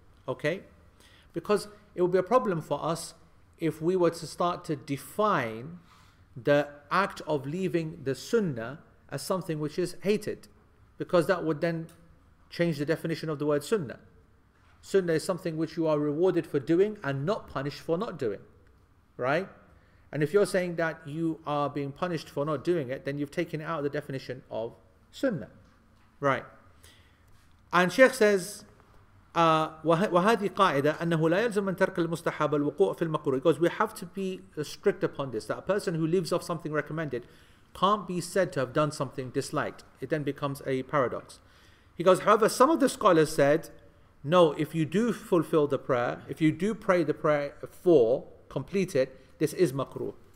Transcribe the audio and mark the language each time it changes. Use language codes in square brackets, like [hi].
[en] Okay, because it would be a problem for us if we were to start to define the act of leaving the sunnah as something which is hated, because that would then change the definition of the word sunnah. Sunnah is something which you are rewarded for doing and not punished for not doing, right? And if you're saying that you are being punished for not doing it, then you've taken it out of the definition of Sunnah, right? And Sheikh says, [ar] وهذه قاعدة أنه لا يلزم من ترك المستحب الوقوع في المكروه. [en] He goes, we have to be strict upon this, that a person who leaves off something recommended can't be said to have done something disliked. It then becomes a paradox. He goes, however, some of the scholars said, no, if you do fulfill the prayer, if you do pray the prayer for, complete it, this is makruh.